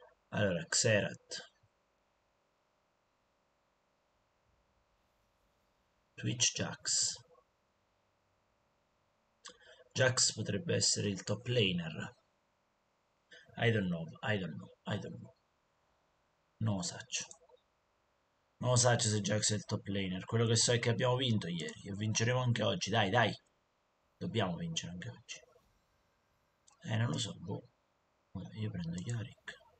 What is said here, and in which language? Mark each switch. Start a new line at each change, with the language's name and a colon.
Italian: Allora, Xerath. Twitch Jax. Jax potrebbe essere il top laner.
English: I don't know, I don't know, I don't know.
Neapolitan: No, saccio.
Italian: Non lo sa se Jax è il top laner. Quello che so è che abbiamo vinto ieri e vinceremo anche oggi. Dai, dai. Dobbiamo vincere anche oggi. Non lo so, boh. Io prendo Yorick.